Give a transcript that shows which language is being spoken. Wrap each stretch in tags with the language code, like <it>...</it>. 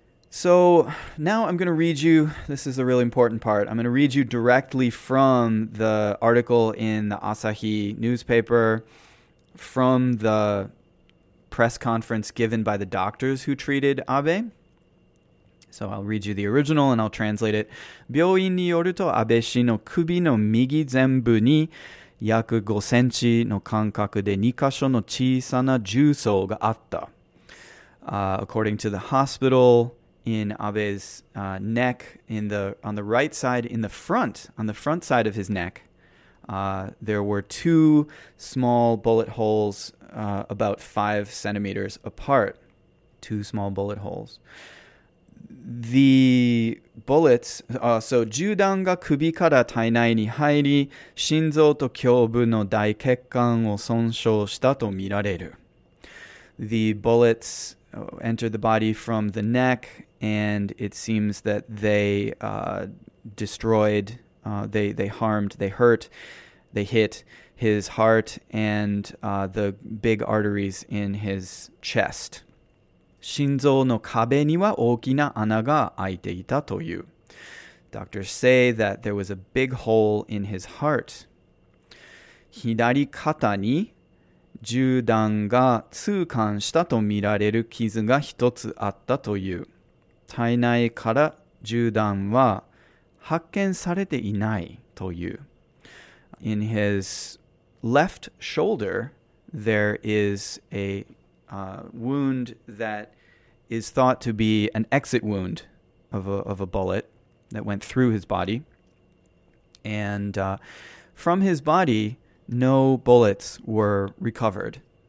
<en>So now I'm gonna read you, this is a really important part, I'm gonna read you directly from the article in the Asahi newspaper, from the press conference given by the doctors who treated Abe. So I'll read you the original and I'll translate it.</en> <ja>病院によると安倍氏の首の右全部に約5センチの間隔で2箇所の小さな銃創があった。</ja> <en>According to the hospital, in Abe's neck, on the right side, on the front side of his neck, there were two small bullet holes about 5 centimeters apart, two small bullet holes. The bullets, so</en> <ja>銃弾が首から体内に入り、心臓と胸部の大血管を損傷したと見られる。</ja> <en>The bullets entered the body from the neck, and it seems that they destroyed, they hit his heart and the big arteries in his chest.</en> <ja>心臓の壁には大きな穴が開いていたという。</ja> <en>Doctors say that there was a big hole in his heart.</en> <ja>左肩に銃弾が通貫したと見られる傷が一つあったという。体内から銃弾は発見されていないという。</ja> <en>In his left shoulder, there is a wound that is thought to be an exit wound of a bullet that went through his body. And from his body, no bullets were recovered.</en>